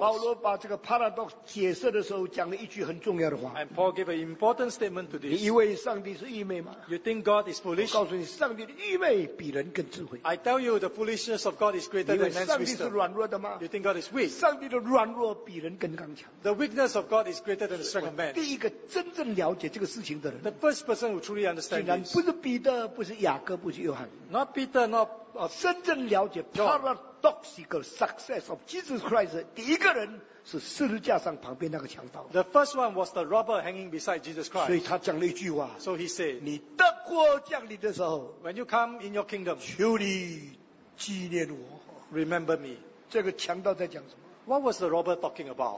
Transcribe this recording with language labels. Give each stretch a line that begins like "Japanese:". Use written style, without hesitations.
Chinese: 保罗把这个 paradox 解释的时候讲了一句很重要的话。
English: And Paul gave an important statement to this.
Chinese: 你以为上帝是愚昧吗？
English: You think God is foolish?
Chinese: 我告诉你，上帝的愚昧比人更智慧。
English: I tell you, the foolishness of God is greater than man's wisdom.
Chinese: 你以为上帝是软弱的吗？
English: You think God is weak?
Chinese: 上帝的软弱比人更刚强。
English: The weakness of God is greater than the strength of man.
Chinese: 第一个真正了解这个事情的人。
English: The first person who truly understands this.
Chinese: 竟然不是彼得，不是雅各，不是约翰。
English: Not Peter, not
Chinese: 真正了解
English: paradoxical success of Jesus Christ,
Chinese: 第一个人是十字架上旁边那个强盗。
English: The first one was the robber hanging beside Jesus Christ.
Chinese: 所以他讲了一句话。
English: So he said,
Chinese: 你德国降临的时候,
English: when you come in your kingdom,
Chinese: 求你纪念我。
English: Remember me.
Chinese: 这个强盗在讲什么?
English: What was the robber talking about?